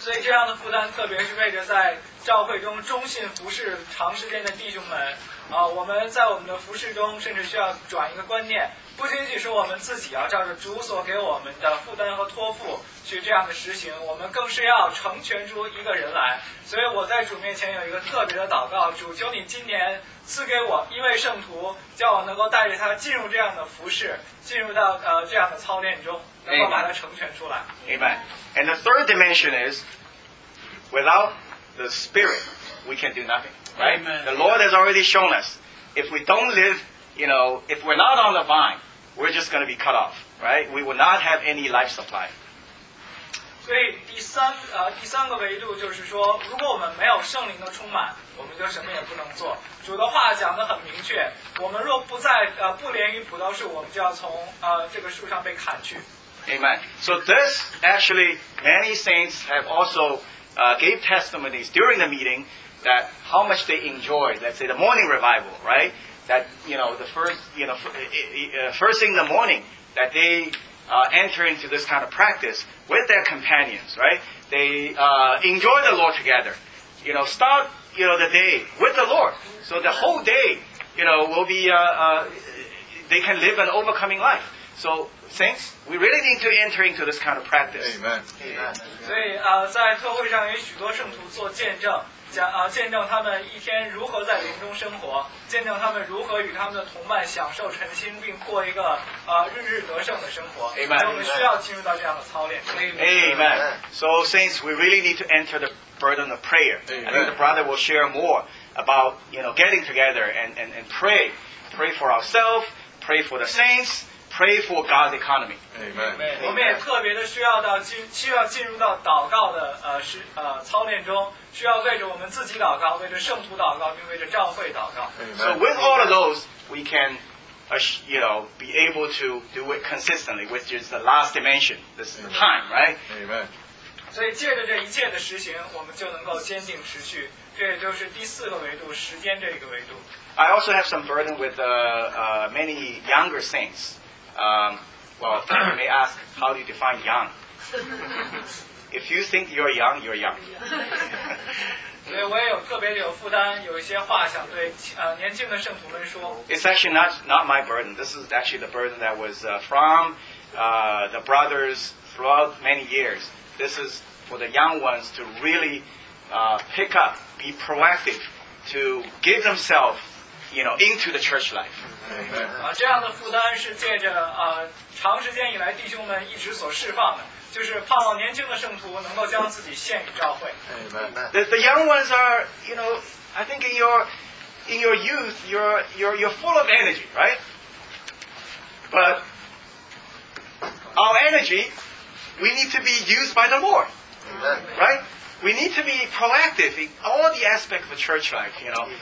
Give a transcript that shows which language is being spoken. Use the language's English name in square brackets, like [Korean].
[Chinese] 所以这样的负担特别是为着在教会中忠信服侍长时间的弟兄们，我们在我们的服侍中甚至需要转一个观念，不仅仅是我们自己要照着主所给我们的负担和托付去这样的实行，我们更是要成全出一个人来。所以我在主面前有一个特别的祷告，主求你今年赐给我一位圣徒，叫我能够带着他进入这样的服侍，进入到这样的操练中，能够把他成全出来。 [English] Amen. And the third dimension is, withoutThe Spirit, we can do nothing, right? Amen. The Lord has already shown us, if we don't live, you know, if we're not on the vine, we're just going to be cut off, right? We will not have any life supply. [Chinese] 所以第三个维度就是说，如果我们没有圣灵的充满，我们就什么也不能做。主的话讲得很明确，我们若不在不连于葡萄树，我们就要从这个树上被砍去。 [English] Amen. So this actually, many saints have also. Gave testimonies during the meeting that how much they enjoyed, let's say, the morning revival, right? That, you know, the first, you know, first thing in the morning, that they enter into this kind of practice with their companions, right? They enjoy the Lord together. You know, start, you know, the day with the Lord. So the whole day, you know, will be, they can live an overcoming life. So... Saints, we really need to enter into this kind of practice. Amen. Amen. [Chinese] 所以在特会上有许多圣徒做见证，见证他们一天如何在灵中生活，见证他们如何与他们的同伴享受晨兴，并过一个日日得胜的生活。 [English] Amen. [Chinese] 我们需要进入到这样的操练。 [English] Amen. So saints, we really need to enter the burden of prayer. Amen. I think the brother will share more about, you know, getting together and pray. Pray for ourselves, pray for the saints. Pray for God's economy. Amen. [Chinese] 我们也特别的需要进入到祷告的操练中，需要为着我们自己祷告，为着圣徒祷告，并为着教会祷告。 [English] Amen. So with all of those, we can, you know, be able to do it consistently, which is the last dimension. This is the time, right? Amen. [Chinese] 所以借着这一切的实行，我们就能够坚定持续。这也就是第四个维度，时间这个维度。 [English] I also have some burden with many younger saints. You may ask, how do you define young? If you think you're young, you're young. [Chinese] 所以我也有特别的有负担，有一些话想对年轻的圣徒们说。 [English] It's actually not my burden. This is actually the burden that was from the brothers throughout many years. This is for the young ones to really pick up, be proactive, to give themselves, you know, into the church life. [Chinese] 这样的负担是借着长时间以来弟兄们一直所释放的。就是盼望年轻的圣徒能够将自己献于教会。 [English] The young ones are, you know, I think in your youth, you're full of energy, right? But our energy, we need to be used by the Lord, right? We need to be proactive in all the aspects of church life, you know.